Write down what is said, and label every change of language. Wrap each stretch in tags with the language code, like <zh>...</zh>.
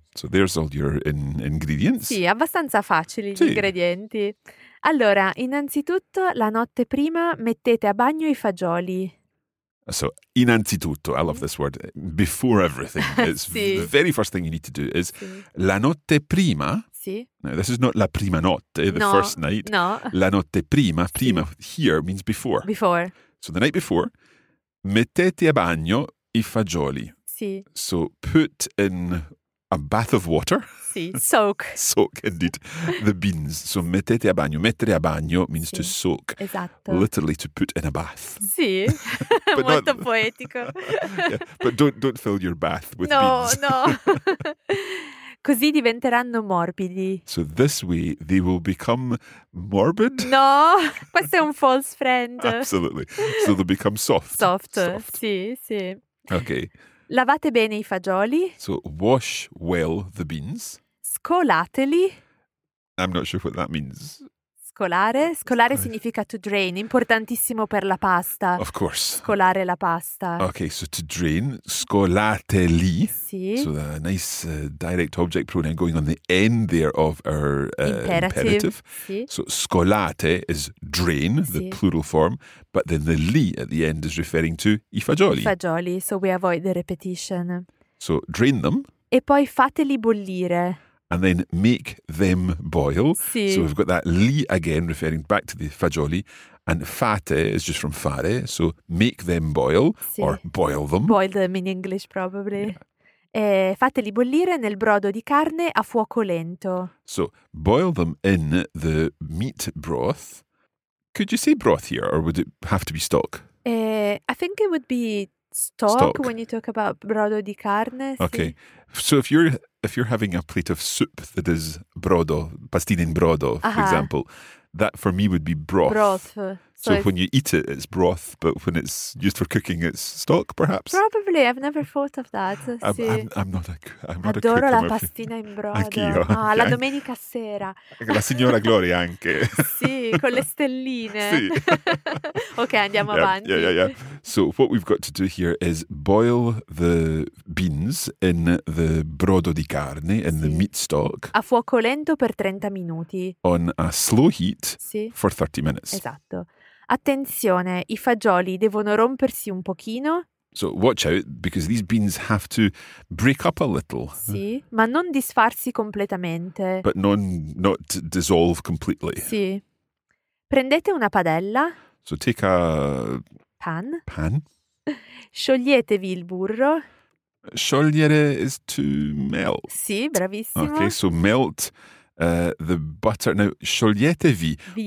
<en>So there's all your ingredients.</en> <it>Sì, abbastanza facili sì. Gli ingredienti. Allora, innanzitutto, la notte prima mettete a bagno i fagioli.</it> <en>So, innanzitutto, I love this word, before everything, it's sì. The very first thing you need to do is sì.</en> <it>La notte prima. Sì.</it> <en>No, this is not</en> <it>la prima notte,</it> <en>the no, first night. No.</en> <it>La notte prima, prima sì.</it> <en>Here means before. Before. So, the night before,</en> <it>mettete a bagno I fagioli. Sì.</it> <en>So, put in a bath of water. Sì, soak. Soak, indeed. The beans. So,</en> <it>mettete a bagno. Mettere a bagno means sì.</it> <en>To soak.</en> <it>Esatto.</it> <en>Literally, to put in a bath.</en> <it>Sì, molto not... poetico.</it> <en>Yeah. But don't fill your bath with no, beans. No, no.</en> <it>Così diventeranno morbidi.</it> <en>So this way they will become morbid?</en> <it>No, questo è un</it> <en>false friend. Absolutely. So they'll become soft. Soft. Soft, sì, sì. Okay.</en> <it>Lavate bene I fagioli.</it> <en>So wash well the beans.</en> <it>Scolateli.</it> <en>I'm not sure what that means.</en> <it>Scolare. Scolare significa</it> <en>to drain,</en> <it>importantissimo per la pasta.</it> <en>Of course.</en> <it>Scolare la pasta.</it> <en>Okay, so to drain, scolateli.</en> <it>Sì.</it> <en>So a nice direct object pronoun going on the end there of our imperative.</en> <it>Sì.</it> <en>So scolate is drain, sì. The plural form, but then the li at the end is referring to I fagioli. I fagioli, so we avoid the repetition. So drain them.</en> <it>E poi fateli bollire.</it> <en>And then make them boil.</en> <it>Sì.</it> <en>So we've got that li again, referring back to the fagioli. And fate is just from fare. So make them boil</en> <it>sì.</it> <en>Or boil them. Boil them in English, probably. Yeah.</en> <it>Fateli bollire nel brodo di carne a fuoco lento.</it> <en>So boil them in the meat broth. Could you say broth here or would it have to be stock? I think it would be stock when you talk about</en> <it>brodo di carne.</it> <en>Okay.</en> <it>Sì.</it> <en>So if you're having a plate of soup that is brodo,</en> <it>pastine in brodo,</it> <en>for aha. Example, that for me would be broth. Broth. So when you eat it, it's broth, but when it's used for cooking, it's stock, perhaps? Probably. I've never thought of that. I'm not a cook.</en> <it>Adoro la pastina in brodo. Anch'io. Ah, la domenica sera. La signora Gloria anche. Sì, con le stelline. Sì. Okay, andiamo</it> <en>yeah,</en> <it>avanti.</it> <en>Yeah, yeah, yeah. So what we've got to do here is boil the beans in the</en> <it>brodo di carne,</it> <en>in</en> <it>sì.</it> <en>The meat stock.</en> <it>A fuoco lento per 30 minuti.</it> <en>On a slow heat</en> <it>sì.</it> <en>For 30 minutes.</en> <it>Esatto. Attenzione, I fagioli devono rompersi un pochino.</it> <en>So watch out, because these beans have to break up a little.</en> <it>Sì, ma non disfarsi completamente.</it> <en>But not dissolve completely.</en> <it>Sì. Prendete una padella.</it> <en>So take a... Pan.</en> <it>Scioglietevi il burro.</it> <en>Sciogliere is to melt.</en> <it>Sì, bravissimo.</it> <en>Okay, so melt... the butter. Now, scioglietevi.</en>